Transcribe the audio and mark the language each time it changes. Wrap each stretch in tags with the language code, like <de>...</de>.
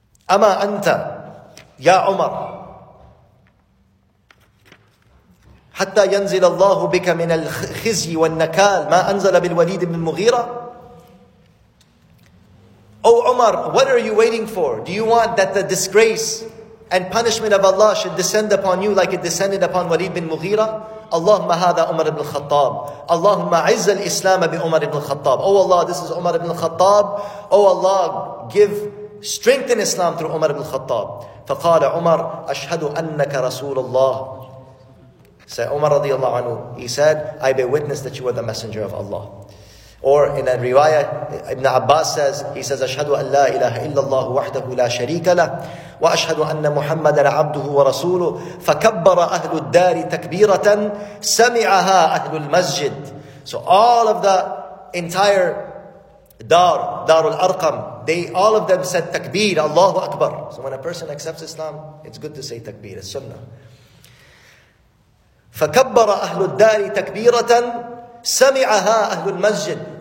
<ar>أَمَا أَنْتَ يَا عُمَرُ حتى ينزل الله بك من الخزي والنكال ما أنزل بالوليد من المغيرة.</ar> <en>Oh Umar, what are you waiting for? Do you want that the disgrace and punishment of Allah should descend upon you like it descended upon Walid bin Mughira?</en> <ar>اللهم هذا عمر بن الخطاب. اللهم عز الإسلام بعمر بن الخطاب.</ar> <en>Oh Allah, this is Umar bin al-Khattab. Oh Allah, give strength in Islam through Umar bin al-Khattab.</en> <ar>فقال عمر أشهد أنك رسول الله.</ar> <en>Say Umar radiallahu anhu, he said, I bear witness that you are the messenger of Allah. Or in a riwayah, Ibn Abbas says, he says,</en> <ar>أشهد أن لا إله إلا الله وحده لا شريك له وأشهد أن محمد عبده ورسوله فكبر أهل الدار تكبيرة سمعها أهل المسجد.</ar> <en>So all of the entire dar, Darul Arqam, they all of them said takbir, Allahu Akbar. So when a person accepts Islam, it's good to say takbir, it's sunnah.</en> <ar>فَكَبَّرَ أَهْلُ الدَّارِ تَكْبِيرَةً سَمِعَهَا أَهْلُ الْمَسْجِدِ.</ar>